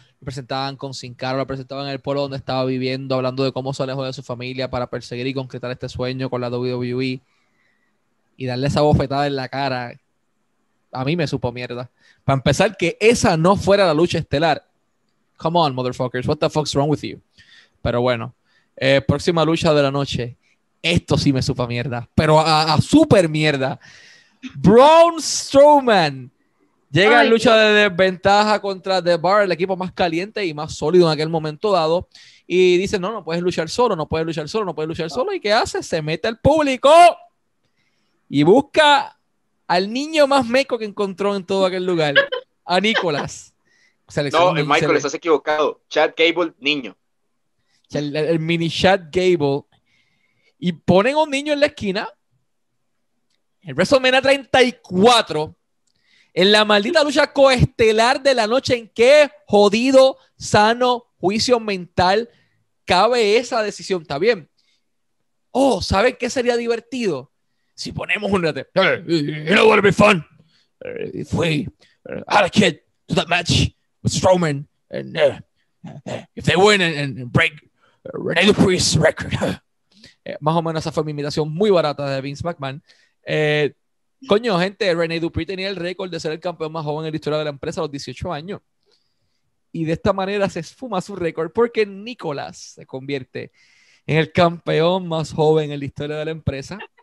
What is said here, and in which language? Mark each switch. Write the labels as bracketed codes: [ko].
[es] Lo presentaban con Sin Cara, lo presentaban en el pueblo donde estaba viviendo, hablando de cómo se alejó de su familia para perseguir y concretar este sueño con la WWE, y darle esa bofetada en la cara, a mí me supo mierda. Para empezar, que esa no fuera la lucha estelar. [en] Come on, motherfuckers, what the fuck's wrong with you? [es] Pero bueno, próxima lucha de la noche. Esto sí me supo mierda, pero a super mierda. Braun Strowman llega en lucha de desventaja contra The Bar, el equipo más caliente y más sólido en aquel momento dado. Y dice, no puedes luchar solo. ¿Y qué hace? Se mete al público y busca al niño más meco que encontró en todo aquel lugar, a Nicolás. Michael, estás equivocado. Chad Gable, niño. El mini Chad Gable. Y ponen a un niño en la esquina. El WrestleMania 34... En la maldita lucha coestelar de la noche, ¿en qué jodido, sano juicio mental cabe esa decisión? ¿Está bien? Oh, ¿saben qué sería divertido? Si ponemos un... [en] You know what would be fun? If we had a kid to that match with Strowman, and if they win and break Rene Dupree's record. [es] Más o menos esa fue mi imitación muy barata de Vince McMahon. Coño, gente, Rene Dupree tenía el récord de ser el campeón más joven en la historia de la empresa a los 18 años. Y de esta manera se esfuma su récord porque Nicolás se convierte en el campeón más joven en la historia de la empresa.